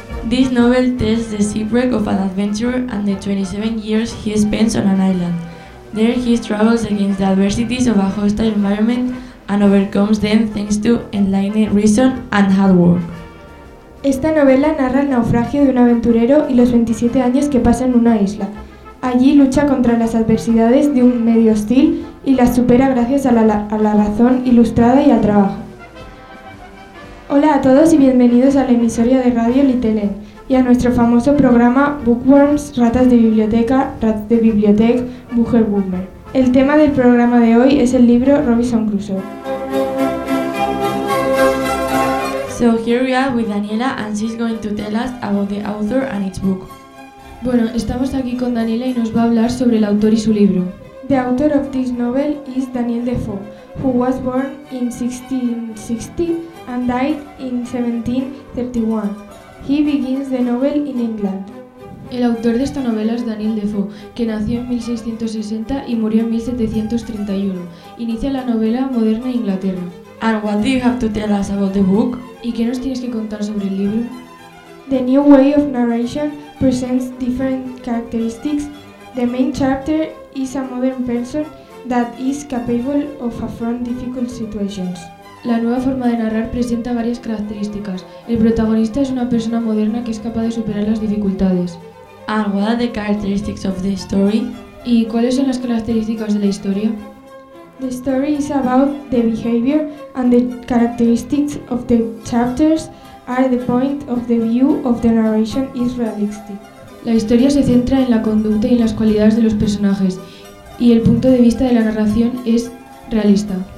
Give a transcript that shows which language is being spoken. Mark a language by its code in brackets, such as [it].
[en] This novel tells the shipwreck of an adventurer and the 27 years he spends on an island. There he struggles against the adversities of a hostile environment and overcomes them thanks to enlightened reason and hard work. [es] Esta novela narra el naufragio de un aventurero y los 27 años que pasa en una isla. Allí lucha contra las adversidades de un medio hostil y las supera gracias a la razón ilustrada y al trabajo. Hola a todos y bienvenidos a la emisora de radio Litele y a nuestro famoso programa Bookworms, Ratas de Biblioteca, Ratas de Biblioteca, Mujer Boomer. El tema del programa de hoy es el libro Robinson Crusoe. [en] So here we are with Daniela and she's going to tell us about the author and its book. [es] Bueno, estamos aquí con Daniela y nos va a hablar sobre el autor y su libro. [en] The author of this novel is Daniel Defoe, who was born in 1660 and died in 1731. He begins the novel in England. [es] El autor de esta novela es Daniel Defoe, que nació en 1660 y murió en 1731. Inicia la novela moderna en Inglaterra. [en] And what do you have to tell us about the book? [es] ¿Y qué nos tienes que contar sobre el libro? [en] The new way of narration presents different characteristics. The main character is a modern person that is capable of affronting difficult situations. [es] La nueva forma de narrar presenta varias características. El protagonista es una persona moderna que es capaz de superar las dificultades. [en] And what are the characteristics of the story? [es] ¿Y cuáles son las características de la historia? [en] The story is about the behavior and the characteristics of the characters are the point of the view of the narration is realistic. [es] La historia se centra en la conducta y en las cualidades de los personajes y el punto de vista de la narración es realista.